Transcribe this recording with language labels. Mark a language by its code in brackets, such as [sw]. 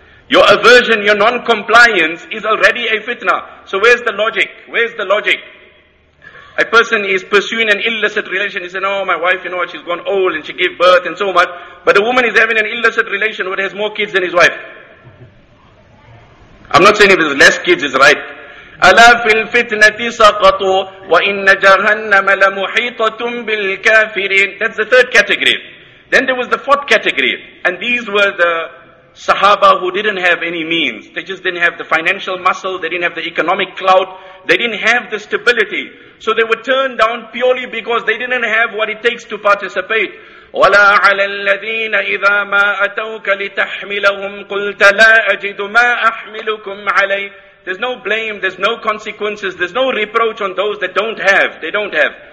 [en] Your aversion, your non-compliance is already a fitna. So where's the logic? Where's the logic? A person is pursuing an illicit relation. He said, oh, my wife, you know what, she's gone old and she gave birth and so much. But a woman is having an illicit relation but has more kids than his wife. I'm not saying if there's less kids, it's right. [ar] أَلَا فِي الْفِتْنَةِ سَقَطُوا وَإِنَّ جَهَنَّمَ لَمُحِيطَةٌ بِالْكَافِرِينَ [en] That's the third category. Then there was the fourth category. And these were the Sahaba who didn't have any means. They just didn't have the financial muscle. They didn't have the economic clout. They didn't have the stability. So they were turned down purely because they didn't have what it takes to participate. [ar] وَلَا عَلَى الَّذِينَ إِذَا مَا أَتَوْكَ لِتَحْمِلَهُمْ قُلْتَ لَا أَجِدُ مَا أَحْمِلُكُمْ عَلَيْهِ [en] There's no blame, there's no consequences, there's no reproach on those that don't have. They don't have.